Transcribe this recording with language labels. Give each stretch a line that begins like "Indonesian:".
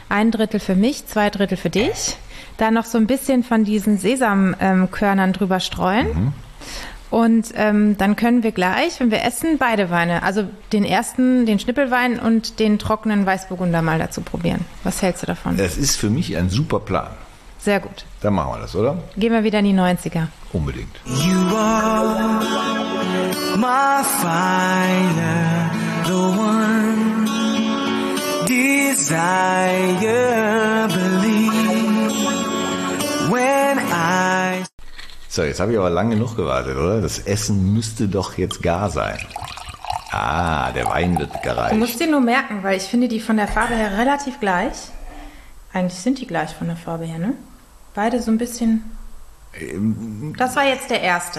German: Ein Drittel für mich, zwei Drittel für dich. Dann noch so ein bisschen von diesen Sesamkörnern drüber streuen. Mhm. Und dann können wir gleich, wenn wir essen, beide Weine, also den ersten, den Schnippelwein und den trockenen Weißburgunder mal dazu probieren. Was hältst du davon? Das ist für mich ein super Plan. Sehr gut. Dann machen wir das, oder? Gehen wir wieder in die 90er. Unbedingt.
English: You are my fire, the one desire, believe when I...
German: So, jetzt habe ich aber lange genug gewartet, oder? Das Essen müsste doch jetzt gar sein. Ah, der Wein wird gereicht. Du musst dir nur merken, weil ich finde die von der Farbe her relativ gleich. Eigentlich sind die gleich von der Farbe her, ne? Beide so ein bisschen... Das war jetzt der erste.